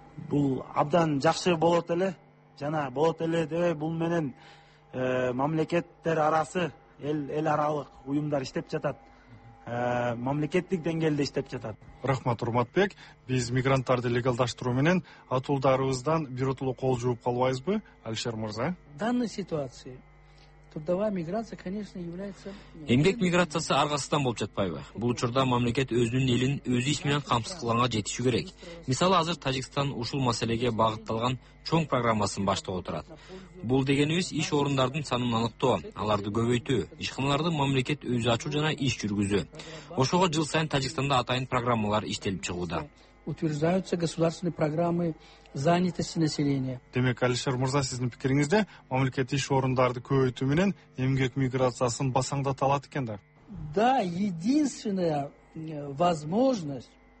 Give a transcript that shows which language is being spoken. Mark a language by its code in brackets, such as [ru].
[ky] бул абдан жакшы болот эле жана болот эле деп бул менен мамлекеттер арасы эл аралык уюмдар иштеп жатат. Мамлекеттик деңгээлде иштеп жатат. Рахмат, Урматбек. Биз мигранттарды легалдаштыруу менен атуулдарыбыздан бир утулу кол жууп калбайбызбы, Алишер Мырза? [ru] Данный ситуации трудовая миграция, конечно, является. [ky] Эмгек миграциясы ар кайсыдан болуп жатпайбы? Бул учурда мамлекет өзүнүн элин өзү иш менен камсыз кылганга жетиши керек. Мисалы, азыр Тажикстан ушул маселеге багытталган чоң программасын баштап отурат. Бул дегенибиз иш орундардын санын аныктоо, аларды көбөйтүү, ишканаларды мамлекет өзү ачуу жана иш жүргүзүү. Ошого жыл сайын Тажикстанда атайын программалар иштелип чыгууда. [ru] Утверждаются государственные программы занятости населения. [ky] Демек, Алишер Мырза, сиздин пикириңизде мамлекет иш орундарды көбөйтүү менен эмгек миграциясын басаңдата алат экен да? [ru] Да, единственная возможность.